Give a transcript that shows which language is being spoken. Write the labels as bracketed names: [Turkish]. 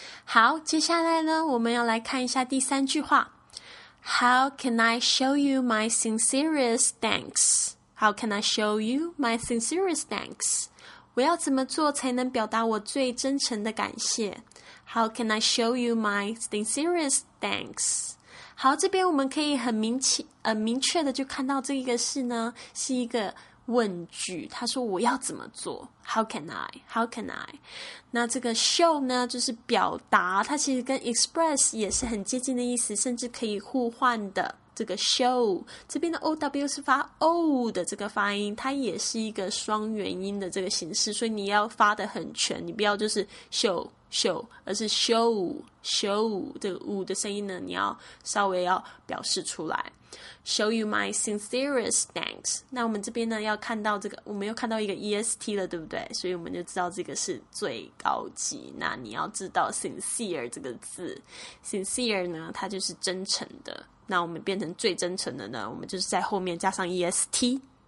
[Chinese] 好，接下来呢，我们要来看一下第三句话。 [English] How can I show you my sincerest thanks? How can I show you my sincerest thanks? [Chinese] 我要怎么做才能表达我最真诚的感谢？ [English] How can I show you my sincerest thanks? [Chinese] 好，这边我们可以很明确的就看到这个是呢，是一个问句，他说我要怎么做 [English] How can I [Chinese] 那这个 show 呢，就是表达，它其实跟 express 也是很接近的意思，甚至可以互换的。这个 show 这边的 ow 是发 o 的这个发音，它也是一个双元音的这个形式，所以你要发得很全，你不要就是 show 而是 show 这个 ow 的声音呢，你要稍微要表示出来。 [English] Show you my sincerest thanks. [Chinese] 那我们这边呢，要看到这个，我们又看到一个 EST 了，对不对？所以我们就知道这个是最高级。那你要知道 sincere 这个字， sincere 呢，它就是真诚的。那我们变成最真诚的呢，我们就是在后面加上 EST。